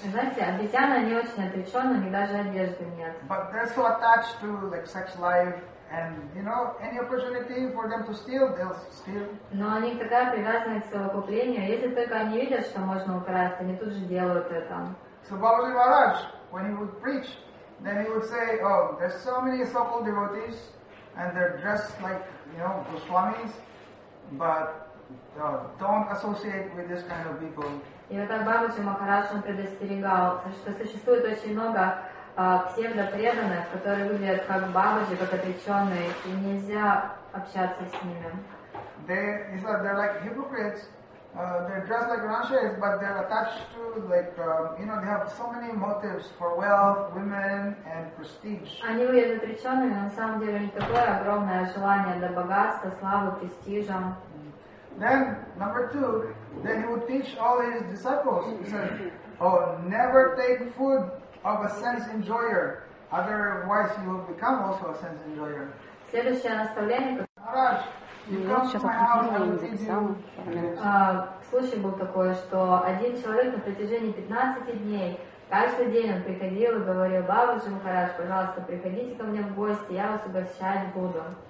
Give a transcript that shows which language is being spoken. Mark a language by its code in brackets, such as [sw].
[ru] И знаете, обезьяны, они очень отречены, у них даже одежды нет. [en] But they're so attached to like sex life. And you know, any opportunity for them to steal, they'll steal. [ru] Но они такая привязана к совокуплению. Если только они видят, что можно украсть, они тут же делают это. [en] So Babaji Maharaj, when he would preach, then he would say, oh, there's so many so-called devotees, and they're dressed like, you know, Goswamis, but don't associate with this kind of people. [ru] И вот так Бабаджи Махарадж предостерегал, что существует очень много псевдопреданных, которые выглядят как бабаджи, как отреченные, и нельзя общаться с ними. [en] They're like hypocrites, they're dressed like Rishis, but they're attached to, like, you know, they have so many motives for wealth, women, and prestige. [ru] Они выглядят речёными, но на самом деле у них такое огромное желание для богатства, славы, престижа. [en] Then, number two, then he would teach all his disciples. He said, oh, never take food of a sense enjoyer, otherwise you will become also a sense enjoyer. [ru] Следующее наставление. [en] Maharaj, you come to my house, I will teach you. [ru] Случай был такой, что один человек на протяжении 15 дней, каждый день он приходил и говорил, Бабаджи Махарадж, пожалуйста, приходите ко мне в гости, я вас угощать буду.